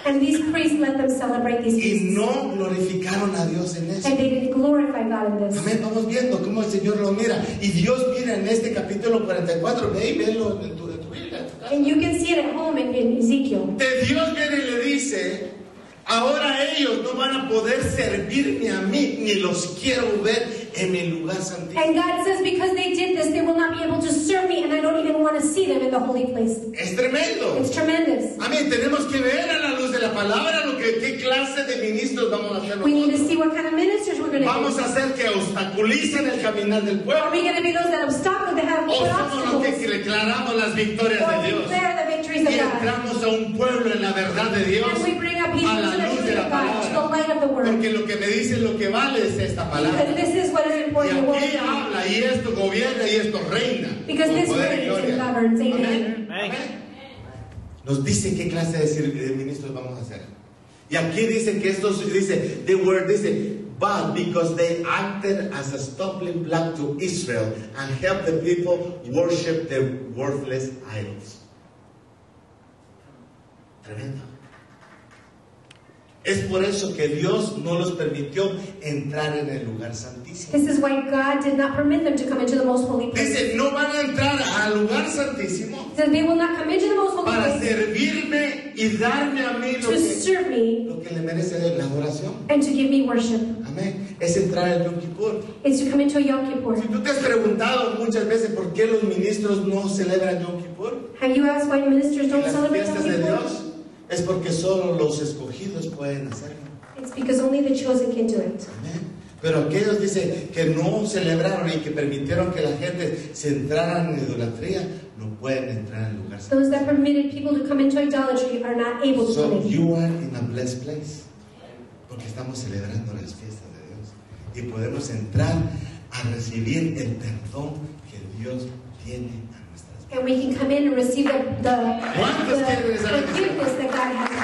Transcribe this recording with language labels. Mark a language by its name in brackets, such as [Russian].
[English] And these priests let them celebrate these feasts. [Spanish] Y no glorificaron a Dios en eso. [English] And they didn't glorify God in this. Amén. [Spanish] Vamos viendo cómo el Señor lo mira. Y Dios mira en este capítulo 44. Ve y velo en tu Biblia. [English] And you can see it at home in Ezekiel. [Spanish] De Dios viene y le dice, ahora ellos no van a poder servirme a mí, ni los quiero ver en el lugar santísimo. [English] And God says, because they did this, they will not be able to serve me, and I don't even want to see them in the holy place. [Spanish] Es tremendo. [English] It's tremendous. Amén. [Spanish] Tenemos que ver a la luz de la palabra lo que qué clase de ministros vamos a hacer. [English] We need to see what kind of ministers we're going to be. [Spanish] Vamos a hacer que obstaculicen el caminar del pueblo. [English] Are we going to be those that obstacle the have put obstacles? [Spanish] O somos los que declaramos las victorias de Dios. [English] Or we declare the victories of God. [Spanish] Y entramos a un pueblo en la verdad de Dios. [English] And we bring up people. [Spanish] La luz de la palabra. [English] God, the light of the word. [Spanish] Porque lo que me dice lo que vale es esta palabra. [English] Because this is what is important. [Spanish] Y aquí habla y esto gobierna y esto reina. [English] Because this word is governs. Amen. [Spanish] Nos dice qué clase de ministros vamos a hacer. Y aquí dice que esto dice [English] the word dice, but because they acted as a stumbling block to Israel and helped the people worship their worthless idols. [Spanish] Tremendo. Es por eso que Dios no los permitió entrar en el lugar santísimo. [English] This is why God did not permit them to come into the most holy place. [Spanish] Dice, no van a entrar al lugar santísimo. [English] So they will not come into the most holy [Spanish] para [English] place. [Spanish] Para servirme y darme a mí [English] to serve me. [Spanish] Lo que le merece de la adoración. [English] And to give me worship. [Spanish] Amén. Es entrar al Yom Kippur. [English] It's to come into a Yom Kippur. [Spanish] Si tú te has preguntado muchas veces por qué los ministros no celebran Yom Kippur. [English] Have you asked why ministers don't celebrate Yom Kippur? [Spanish] De Dios. Es porque solo los escogidos pueden hacerlo. [English] It's because only the chosen can do it. Amen. [Spanish] Pero aquellos dicen que no celebraron y que permitieron que la gente se entrara en idolatría, no pueden entrar en lugar santo. [English] Those that permitted people to come into idolatry are not able to so come in. So you are in a blessed place. [Spanish] Porque estamos celebrando las fiestas de Dios. Y podemos entrar a recibir el perdón que Dios tiene. [English] And we can come in and receive the forgiveness that God